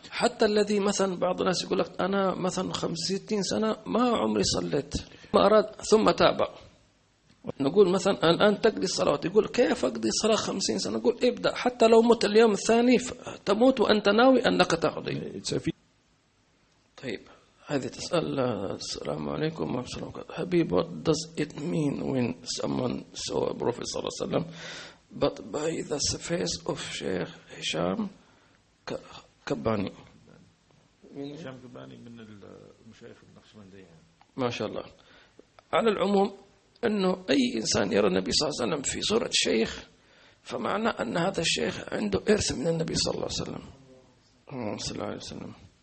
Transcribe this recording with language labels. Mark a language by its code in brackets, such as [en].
[ar] حتى الذي مثلا بعض الناس يقول لك أنا مثلا 65 سنة ما عمري صليت ما أراد ثم تاب, نقول مثلا الآن تقضي الصلاة, يقول كيف أقضي صلاة 50 سنة؟ نقول ابدأ حتى لو مت اليوم الثاني تموت وأنت ناوي أنك تقضي. طيب هذه تسأل, السلام عليكم ورحمة الله وبركاته. [en] حبيب, what does it mean when someone saw a prophet [ar] صلى الله عليه وسلم [en] but by the face of Sheikh Hisham Kabbani? [ar] Hisham Kabbani من المشايخ النقشبندية. ما شاء الله. على العموم أنه أي إنسان يرى النبي صلى الله عليه وسلم في صورة شيخ فمعنى أن هذا الشيخ عنده إرث من النبي صلى الله عليه وسلم صلى الله عليه وسلم.